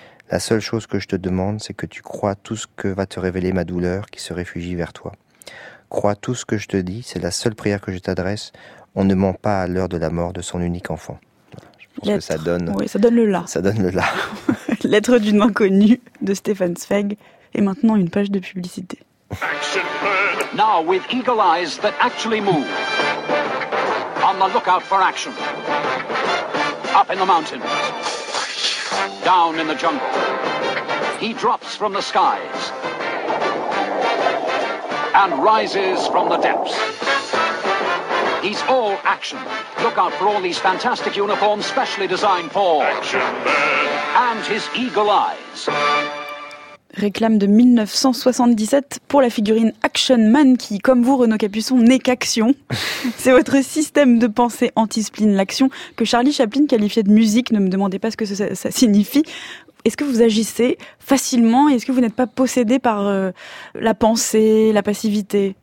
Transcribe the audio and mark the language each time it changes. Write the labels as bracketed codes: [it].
[fr] La seule chose que je te demande, c'est que tu croies tout ce que va te révéler ma douleur qui se réfugie vers toi. Crois tout ce que je te dis, c'est la seule prière que je t'adresse. On ne ment pas à l'heure de la mort de son unique enfant. Lettre, que ça donne, oui, ça donne le là. Ça donne le là. Lettre d'une inconnue de Stefan Zweig et maintenant une page de publicité. [en] Now with eagle eyes that actually move. On the lookout for action. Up in the mountains. Down in the jungle. He drops from the skies. And rises from the depths. He's all action. Look out for all these fantastic uniforms specially designed for Action Man and his eagle eyes. [fr] Réclame de 1977 pour la figurine Action Man qui, comme vous, Renaud Capuçon, n'est qu'action. C'est votre système de pensée anti-spleen, l'action, que Charlie Chaplin qualifiait de musique. Ne me demandez pas ce que ça signifie. Est-ce que vous agissez facilement et est-ce que vous n'êtes pas possédé par la pensée, la passivité?